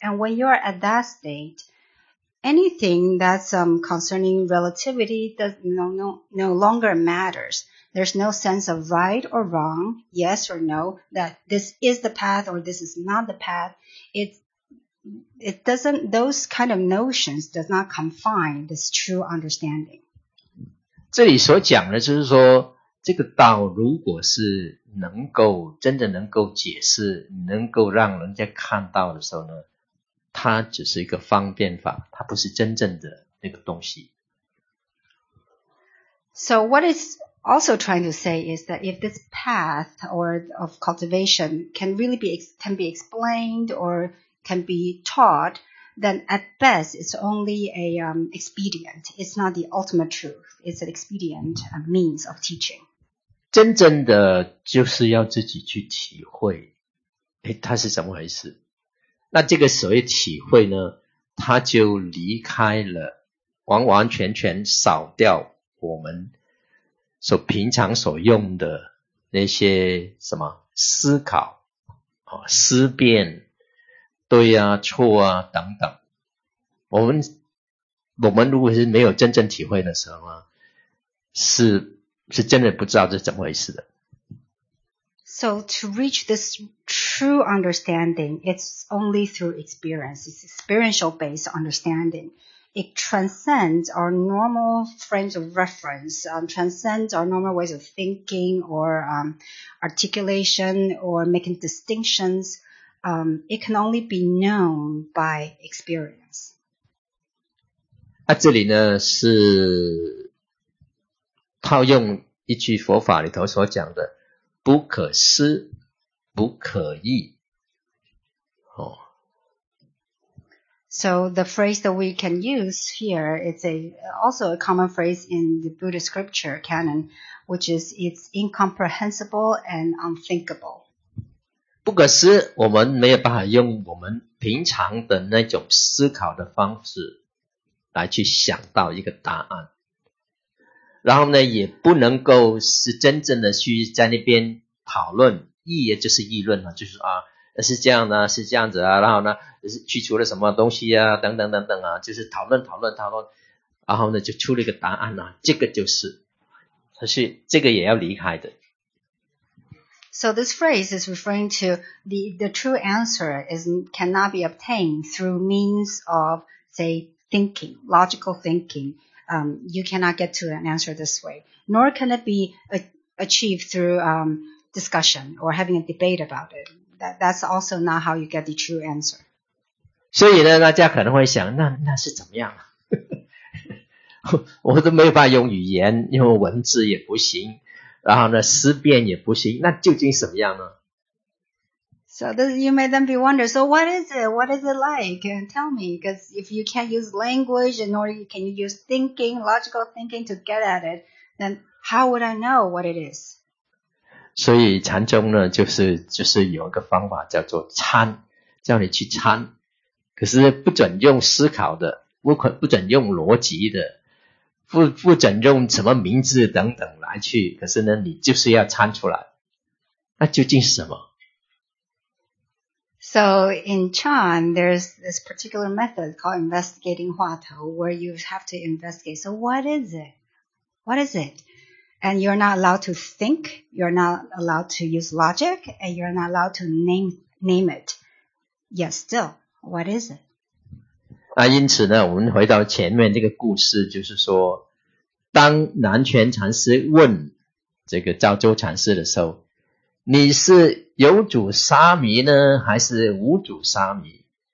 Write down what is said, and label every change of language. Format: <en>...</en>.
<en>And when you're at that state, anything that's concerning relativity no longer matters. There's no sense of right or wrong, yes or no, that this is the path or this is not the path. It doesn't, those kind of notions does not confine this true understanding.</en> <zh>这里所讲的就是说，这个道如果是能够真的能够解释，能够让人家看到的时候呢，它只是一个方便法，它不是真正的那个东西。</zh> <en>So what is also trying to say is that if this path or of cultivation can be explained or can be taught, then at best it's only a expedient. It's not the ultimate truth. It's an expedient, a means of teaching.</en> <zh>真正的就是要自己去体会，诶，它是怎么回事？那这个所谓体会呢，它就离开了，完完全全扫掉我们所平常所用的那些什么思考、思辨、对啊、错啊等等。我们我们如果是没有真正体会的时候呢，是真的不知道这是怎么回事的。</zh> <en>So to reach this true understanding, it's only through experience. It's experiential based understanding. It transcends our normal frames of reference, transcends our normal ways of thinking or articulation or making distinctions. It can only be known by experience.</en> <zh>那、啊、这里呢是套用一句佛法里头所讲的。不可思不可议、哦、</zh> <en>So the phrase that we can use here is also a common phrase in the Buddhist scripture canon, which is it's incomprehensible and unthinkable.</en> <zh>不可思我们没有办法用我们平常的那种思考的方式来去想到一个答案。然后呢也不能够是真正的去在那边讨论议也就是议论啊就是啊是这样的、啊、是这样子啊然后呢去除了什么东西啊等等等等啊就是讨论讨论讨论然后呢就出了一个答案啊这个就是可是这个也要离开的。</zh> <en>So this phrase is referring to the true answer cannot be obtained through means of, say, thinking, logical thinking. You cannot get to an answer this way. Nor can it be achieved through, discussion or having a debate about it. That's also not how you get the true answer.</en> <zh>所以呢大家可能会想那是怎么样我都没有办法用语言用文字也不行然后呢思辨也不行那究竟什么样呢</zh> <en>So you may then be wondering, so what is it? What is it like? And tell me, because if you can't use language nor can you use thinking, logical thinking to get at it, then how would I know what it is?</en> <zh>所以禅宗呢就是有一个方法叫做参叫你去参可是不准用思考的不准用逻辑的不准用什么名字等等来去可是呢你就是要参出来那究竟是什么</zh> <en>So in Chan, there's this particular method called investigating 话头 where you have to investigate. So what is it? What is it? And you're not allowed to think, you're not allowed to use logic, and you're not allowed to name it. Yet still, what is it?</en> <zh>那因此呢，我们回到前面这个故事，就是说，当南泉禅师问这个赵州禅师的时候，你是有主沙弥呢，还是无主沙弥？</zh>